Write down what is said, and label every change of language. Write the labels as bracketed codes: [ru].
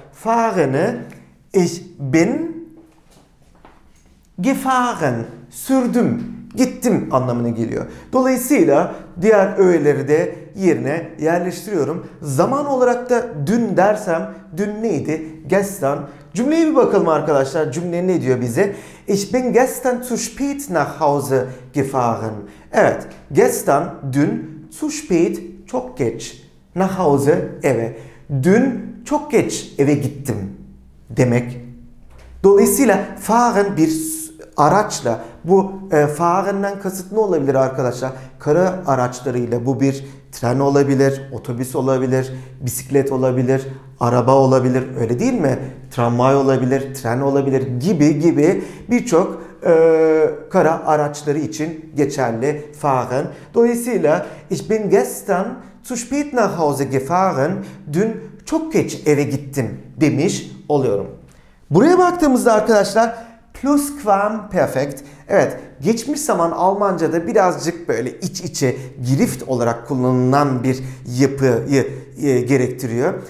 [tr] Fahren'i [de] ich bin gefahren, [tr] sürdüm, gittim anlamına geliyor. Dolayısıyla diğer öğeleri de yerine yerleştiriyorum. Zaman olarak da dün dersem, dün neydi? Gestern. Cümleye bir bakalım arkadaşlar. Cümle ne diyor bize? [de] Ich bin gestern zu spät nach Hause gefahren. [tr] Evet, gestern, dün, zu spät, çok geç, nach Hause, eve. Dün çok geç eve gittim demek. Dolayısıyla fahren bir araçla, bu fahren'den kasıt ne olabilir arkadaşlar? Kara araçlarıyla, bu bir tren olabilir, otobüs olabilir, bisiklet olabilir, araba olabilir, öyle değil mi? Tramvay olabilir, tren olabilir gibi gibi birçok kara araçları için geçerli fahren. [de] Dolayısıyla ich bin gestern zu spät nach Hause gefahren. [tr] Dün çok geç eve gittim demiş oluyorum. Buraya baktığımızda arkadaşlar plusquamperfekt. Evet, geçmiş zaman Almanca'da birazcık böyle iç içe girift olarak kullanılan bir yapıyı gerektiriyor.